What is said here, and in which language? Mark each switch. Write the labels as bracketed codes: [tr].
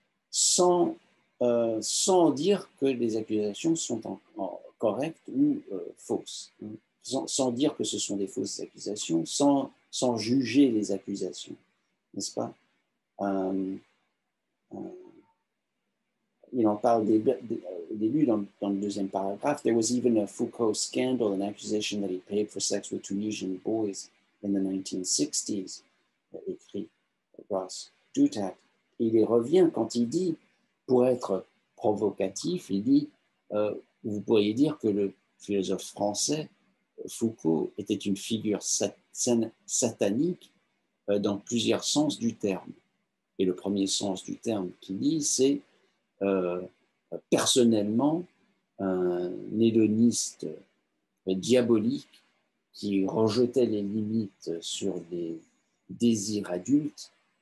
[fr] sans dire que les accusations sont correctes ou fausses, sans dire que ce sont des fausses accusations, sans juger les accusations, n'est-ce pas? Il en parle au début dans le deuxième paragraphe. [en] There was even a Foucault scandal, an accusation that he paid for sex with Tunisian boys in the 1960s, [fr] écrit Ross Duthat. Il y revient quand il dit, pour être provocatif, il dit vous pourriez dire que le philosophe français Foucault était une figure satanique dans plusieurs sens du terme. Et le premier sens du terme qu'il dit, c'est personnellement un hédoniste diabolique qui rejetait les limites sur les désirs adultes,